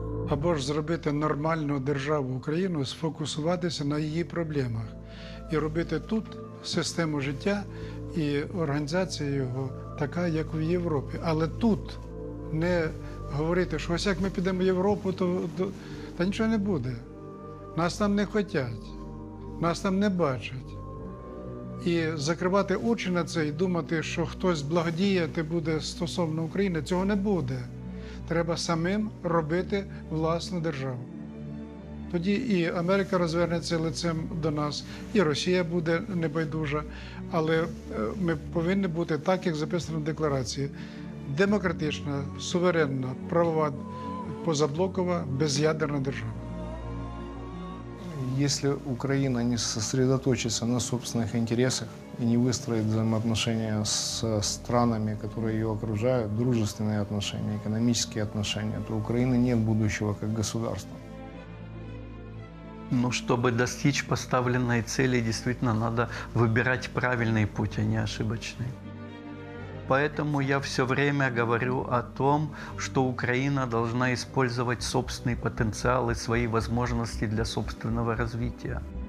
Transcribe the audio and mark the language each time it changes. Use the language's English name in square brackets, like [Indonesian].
[Ukrainian] Або ж зробити нормальну державу Україну, сфокусуватися на її проблемах і робити тут систему життя і організацію його така, як в Європі. Але тут не говорити, що ось як ми підемо в Європу, то нічого не буде. Нас там не хочуть, нас там не бачать. І закривати очі на це і думати, що хтось благодіяти буде стосовно України, цього не буде. Треба самим робити власну державу. Тоді і Америка розвернеться лицем до нас, і Росія буде небайдужа. Але ми повинні бути так, як записано в декларації. Демократична, суверенна, правова, позаблокова, без'ядерна держава. Якщо Україна не зосередоточиться на собственних інтересах і не вистроїть взаємоотношення з странами, які її окружають, [Russian] дружественні отношения, [Ukrainian] економічні отношения, то України [Russian] нет будущего [Ukrainian] як [Russian] государства. Ну, чтобы достичь поставленной цели, действительно, надо выбирать правильный путь, а не ошибочный. Поэтому я все время говорю о том, что Украина должна использовать собственный потенциал и свои возможности для собственного развития.